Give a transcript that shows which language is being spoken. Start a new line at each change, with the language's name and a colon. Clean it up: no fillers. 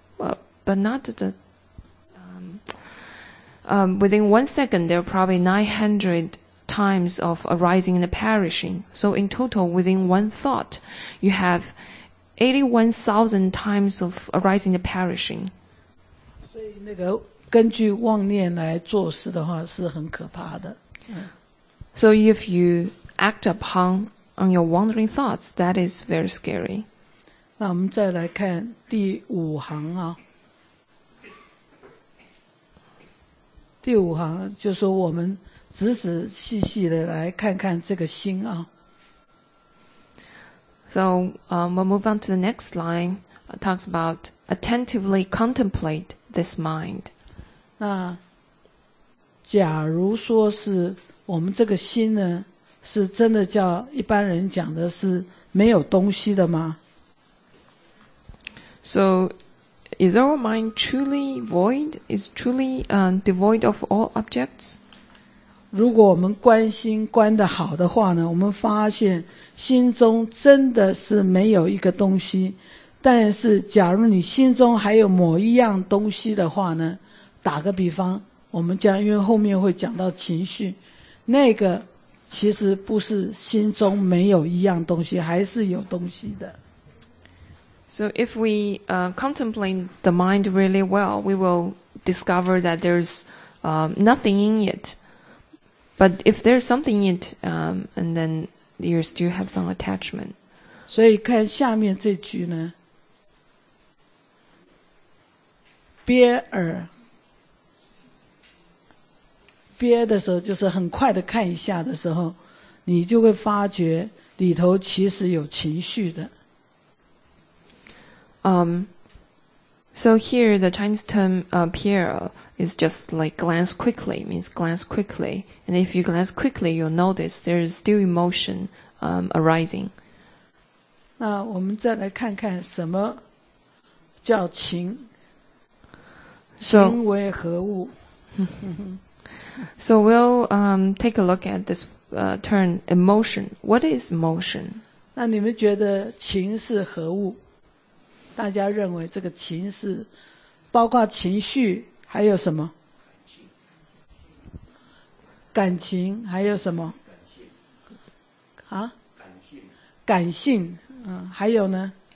English: But not the... within 1 second, there are probably 900 times of arising and perishing. So in total, within one thought, you have 81,000 times of arising and perishing.
Chinese: 所以那个根据妄念来做事的话是很可怕的。
English: So if you act upon on your wandering thoughts, that is very scary.
Chinese: 那我们再来看第五行啊。第五行就是说我们仔仔细细的来看看这个心啊。
English: So, we'll move on to the next line. It talks about attentively contemplate this mind.
Chinese: 那假如说是我们这个心呢是真的叫一般人讲的是没有东西的吗？
English: So, is our mind truly void? Is truly devoid of all objects?
Chinese: 如果我们关心关得好的话呢，我们发现心中真的是没有一个东西。但是假如你心中还有某一样东西的话呢，打个比方，我们将因为后面会讲到情绪，那个其实不是心中没有一样东西，还是有东西的。
English: So if we contemplate the mind really well, we will discover that there's nothing in it. But if there's something in it, and then you still have some attachment.
Chinese: 所以看下面这句呢，憋耳，憋的时候就是很快的看一下的时候，你就会发觉里头其实有情绪的。
English: So here the Chinese term pierre is just like glance quickly, means glance quickly. And if you glance quickly, you'll notice there is still emotion arising.
Chinese: 那我们再来看看什么叫情，情为何物。
English: So we'll take a look at this term emotion. What is emotion?
Chinese: 那你们觉得情是何物？大家认为这个情是包括情绪还有什么感情还有什么啊感性嗯还有呢